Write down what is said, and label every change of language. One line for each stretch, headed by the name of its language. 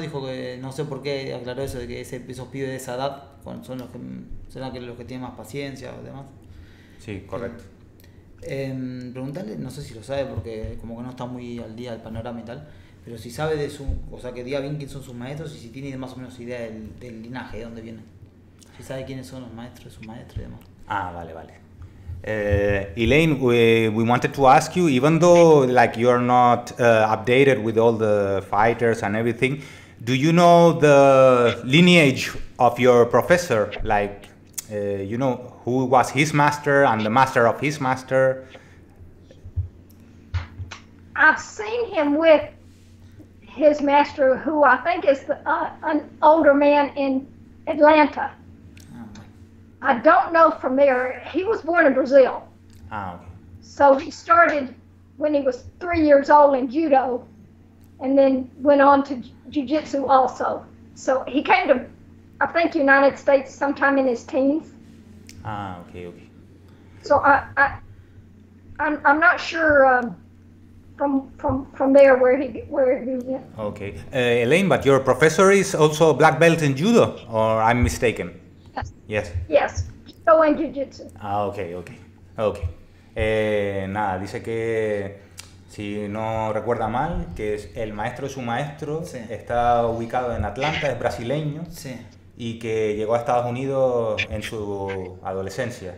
Spanish: Dijo que no sé por qué aclaró eso, de que esos pibes de esa edad son los que tienen más paciencia o demás. Sí, correcto. Preguntarle, no sé si lo sabe, porque como que no está muy al día del panorama y tal, pero si sabe de su, o sea, que diga bien quién son sus maestros y si tiene más o menos idea del linaje, de dónde vienen. Si sabe quiénes son los maestros, sus maestros y demás. Ah, vale, vale.
English: Elaine, we wanted to ask you, even though like you're not updated with all the fighters and everything, do you know the lineage of your professor? Like, you know, who was his master and the master of his master? I've seen him with his master, who I think is an older man in Atlanta. I don't know from there. He was born in Brazil. Oh. So he started when he was 3 years old in judo and then went on to jiu-jitsu also. So he came to, I think, United States sometime in his teens. Ah, okay. So I'm not sure from there where he went. Okay. Elaine, but your professor is also a black belt in judo, or I'm mistaken? Yes. Yes. Judo and jiu-jitsu. Ah, okay.
Spanish: Nada, dice que, si no recuerda mal, que es el maestro de su maestro, sí. está ubicado en Atlanta, es brasileño, sí. y que llegó a Estados Unidos en su adolescencia.